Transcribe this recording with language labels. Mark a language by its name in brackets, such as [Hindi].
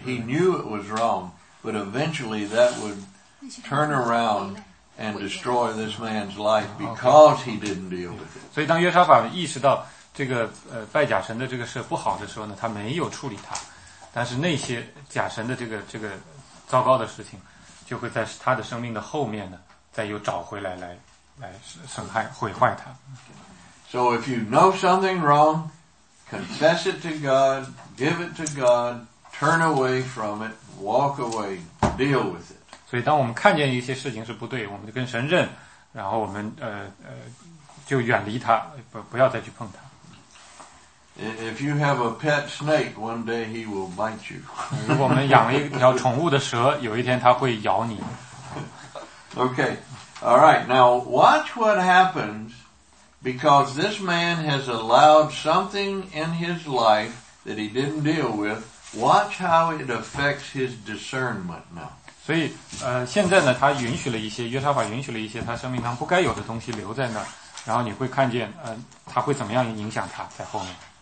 [English] He knew it was wrong, but eventually that would turn around and destroy this man's life because he didn't deal with it. [Chinese] 所以当约沙法意识到这个拜假神的这个事不好的时候呢，他没有处理他，但是那些假神的这个糟糕的事情，就会在他的生命的后面呢，再又找回来来损害毁坏他。 [English] So if you know something wrong, confess it to God, give it to God, turn away from it, walk away, deal with it. [Chinese] 所以当我们看见一些事情是不对，我们就跟神认，然后我们就远离他，不要再去碰他。 [English] If you have a pet snake, one day he will bite you. [Chinese] 如果我们养了一条宠物的蛇，有一天它会咬你。 [English] Okay, all right. Now watch what happens, because this man has allowed something in his life that he didn't deal with. Watch how it affects his discernment now. [Chinese] 所以，现在呢，他允许了一些，约沙法允许了一些他生命中不该有的东西留在那儿，然后你会看见，他会怎么样影响他在后面。